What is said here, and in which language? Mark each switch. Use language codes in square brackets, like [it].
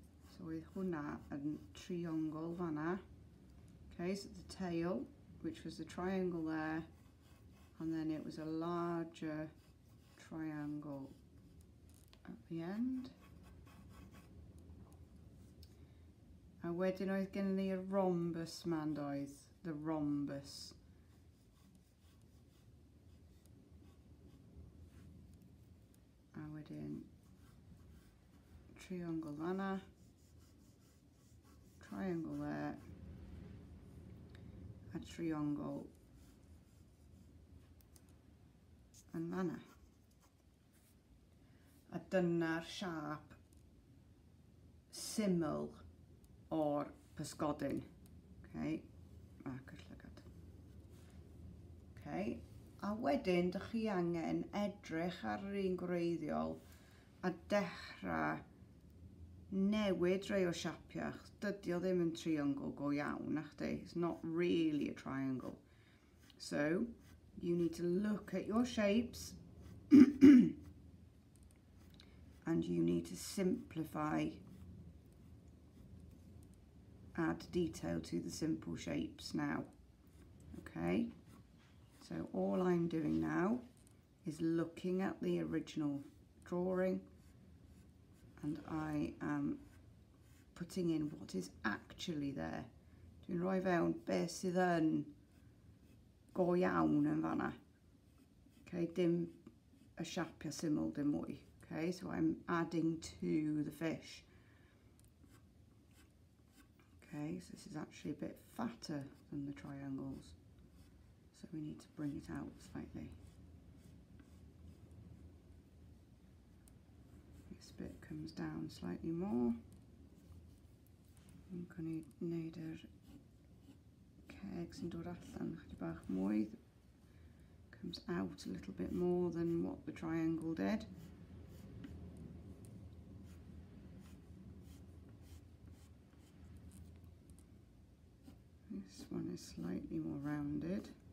[cy] So oedd hwnna yn triongl fanna. [en] Okay, so the tail, which was the triangle there, and then it was a larger triangle at the end. [cy] A wedyn oedd gennym ni y rhombus yma, yndoedd? [en] The rhombus. [cy] A wedyn triongl fanna, [en] triangle there. [cy] A triongl yn fanna. A dyna'r siâp syml o'r pysgodyn. Okay. Mark y llygad. Okay. A wedyn, dych chi angen edrych ar yr un gwreiddiol a dechrau newid rhai o siapiau. Dydy o ddim yn triongl go iawn, na chdi? [en] It's not really a triangle. So, you need to look at your shapes and you need to simplify, add detail to the simple shapes now. Okay, so all I'm doing now is looking at the original drawing and I am putting in what is actually there. [cy] Dwi'n rhoi fewn beth sydd yn go iawn yn fanna. Okay, dim y siapiau syml, dim mwy. [en] Okay, so I'm adding to the fish. Okay, so this is actually a bit fatter than the triangles. So we need to bring it out slightly. This bit comes down slightly more. [cy] Yn gwneud yr ceg sy'n dod allan chydig bach mwy. [en] Comes out a little bit more than what the triangle did. This one is slightly more rounded.